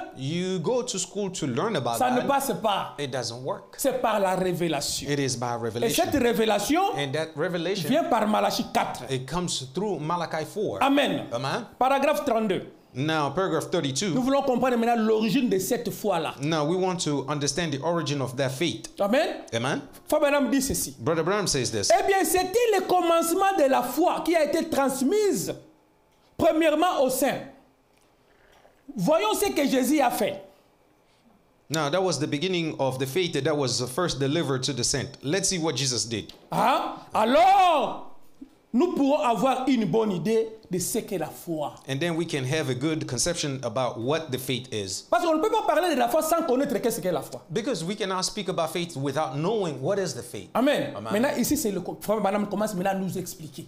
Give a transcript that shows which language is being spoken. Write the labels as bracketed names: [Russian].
[English] You go to school to learn about [French] ça [English] God. [French] Ne passe pas. [English] It doesn't work. [French] C'est par la révélation. [English] It is by revelation. [French] Et cette révélation, [English] and that revelation [French] vient par Malachi 4. [English] It comes through Malachi 4. Amen. Amen. [French] Paragraphe 32. [English] Now, paragraph 32. [French] Nous voulons comprendre maintenant l'origine de cette foi-là. [English] Now, we want to understand the origin of that faith. Amen. Amen. [French] Frère Branham dit ceci. [English] Brother Branham says this. [French] Eh bien, c'était le commencement de la foi qui a été transmise premièrement au sein. Voyons ce que Jésus a fait. [English] Now, that was the beginning of the faith that was first delivered to the saint. Let's see what Jesus did. [French] Ah, alors, nous pouvons avoir une bonne idée de ce qu'est la foi. [English] And then we can have a good conception about what the faith is. [French] Parce qu'on ne peut pas parler de la foi sans connaître ce qu'est la foi. [English] Because we cannot speak about faith without knowing what is the faith. Amen. Amen. [French] Maintenant ici c'est le frère Branham commence maintenant à nous expliquer.